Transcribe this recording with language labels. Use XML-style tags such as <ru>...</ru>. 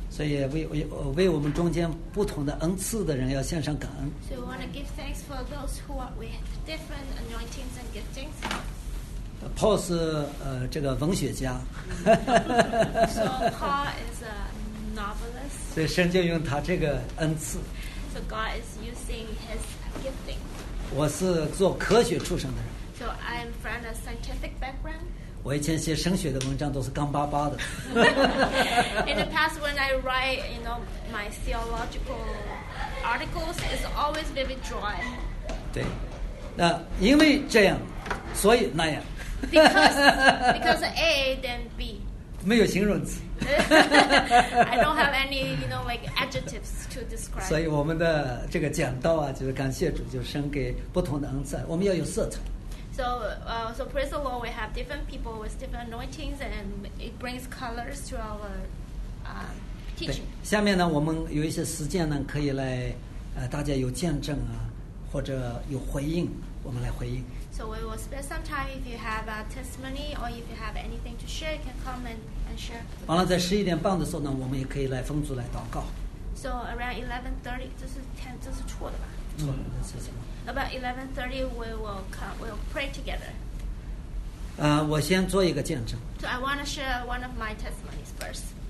<zh>所以为我们中间不同的恩赐的人要献上感恩。</zh> <en>So, we want to give thanks for those who are with different anointings and giftings.</en> <zh>Paul 是这个文学家。</zh> <en>So, Paul is a novelist.</en> <zh>所以神就用他这个恩赐。</zh> <en>so God is using his gifting.</en> <zh>我是做科学出身的人。</zh> <en>So I'm from a scientific background.</en> <zh>我以前写神学的文章都是干巴巴的。</zh> <en>In the past, when I write, you know, my theological articles, it's always very dry.</en> <zh>对，那因为这样，所以那样。</zh> <en>Because A, then B.</en> <zh>没有形容词。</zh> <en>I don't have any, you know, like adjectives to describe.</en> <zh>所以我们的这个讲道啊，就是感谢主，就生给不同的恩赐。我们要有色彩。</zh> <en>So praise the Lord, we have different people with different anointings, and it brings colors to our teaching.</en> <zh>下面呢，我们有一些时间呢，可以来大家有见证啊，或者有回应，我们来回应。</zh> <en>So we will spend some time. If you have a testimony or if you have anything to share, you can come and.</en> <zh>完了，在十一点半的时候呢，我们也可以来分组来祷告。</zh> <en>So around 11:30,</en> <zh>这是天，这是错的吧？错的。</zh> <en>About 11:30, we'll pray together.</en> <zh>我先做一个见证。</zh> <en>So I want to share one of my testimonies first.</en>